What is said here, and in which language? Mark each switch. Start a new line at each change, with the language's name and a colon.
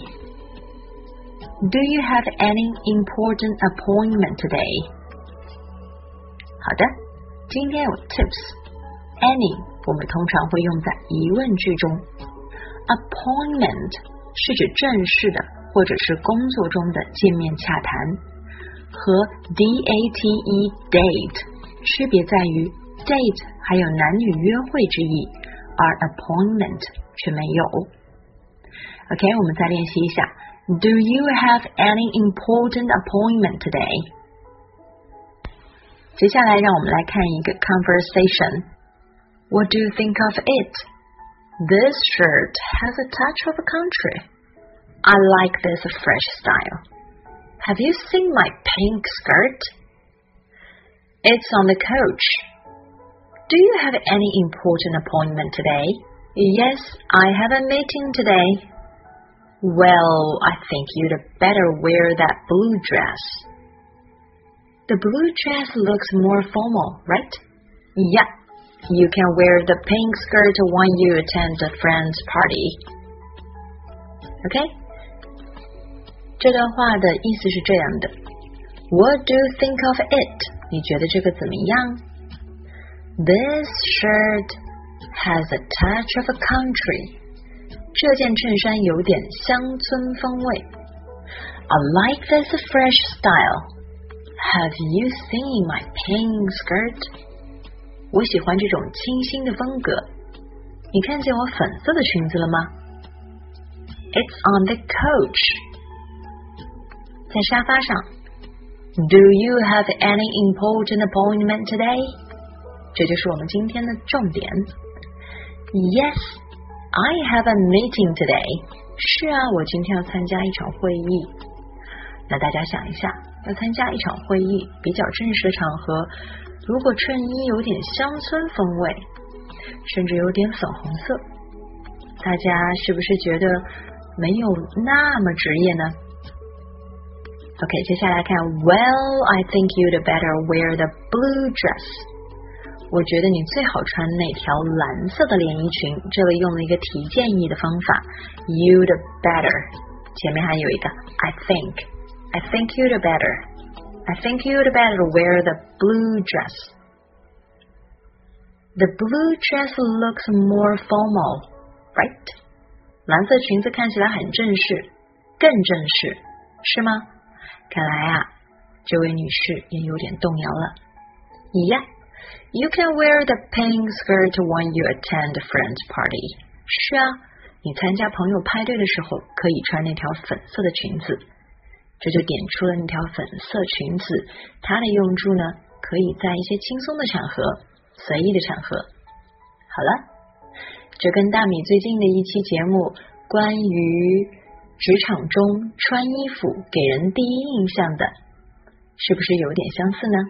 English: Do you have any important appointment today?
Chinese: 好的，今天有 tips. Any 我们通常会用在疑问句中。Appointment 是指正式的或者是工作中的见面洽谈，和 date date 区别在于date 还有男女约会之意，而 appointment 却没有。 OK， 我们再练习一下。
English: Do you have any important appointment today?
Chinese: 接下来让我们来看一个 conversation。
English: What do you think of it? This shirt has a touch of country. I like this fresh style. Have you seen my pink skirt? It's on the coach. Do you have any important appointment today? Yes, I have a meeting today. Well, I think you'd better wear that blue dress. The blue dress looks more formal, right? Yeah, you can wear the pink skirt when you attend a friend's party. Okay?
Chinese: 这段话的意思是这样的。
English: What do you think of it?
Chinese: 你觉得这个怎么样？
English: This shirt has a touch of a country.
Chinese: 这件衬衫有点乡村风味。
English: I like this fresh style. Have you seen my pink skirt?
Chinese: 我喜欢这种清新的风格。你看见我粉色的裙子了吗？
English: It's on the couch.
Chinese: 在沙发上。
English: Do you have any important appointment today?
Chinese: 这就是我们今天的重点。
English: Yes, I have a meeting today.
Chinese: 是啊，我今天要参加一场会议。那大家想一下，要参加一场会议，比较正式的场合，如果衬衣有点乡村风味，甚至有点粉红色，大家是不是觉得没有那么职业呢？
English: OK,
Chinese: 接下来看
English: Well, I think you'd better wear the blue dress.
Chinese: 我觉得你最好穿那条蓝色的连衣裙，这里用了一个提建议的方法 You'd better 前面还有一个
English: I think you'd better wear the blue dress. The blue dress looks more formal, right?
Chinese: 蓝色裙子看起来很正式，更正式，是吗？看来啊，这位女士也有点动摇了。Yeah.
English: You can wear the pink skirt when you attend a friend's party.
Chinese: 是啊，你参加朋友派对的时候可以穿那条粉色的裙子。这就点出了那条粉色裙子，它的用处呢，可以在一些轻松的场合，随意的场合。好了，这跟大米最近的一期节目关于职场中穿衣服给人第一印象的，是不是有点相似呢？